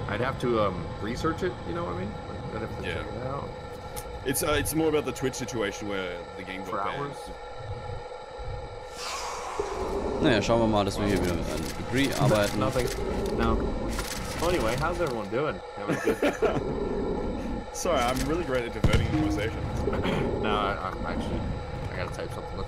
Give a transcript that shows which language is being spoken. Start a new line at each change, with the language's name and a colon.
English: I'd have to research it, you know what I mean? I'd have to check it out. It's more about the Twitch situation where the game got banned.
German: Naja, schauen wir mal, dass wir hier wieder mit einem Debris arbeiten.
English: Nothing. No. Anyway, how's everyone doing? That was good. Sorry, I'm really great at diverting the conversation. No, I gotta type something.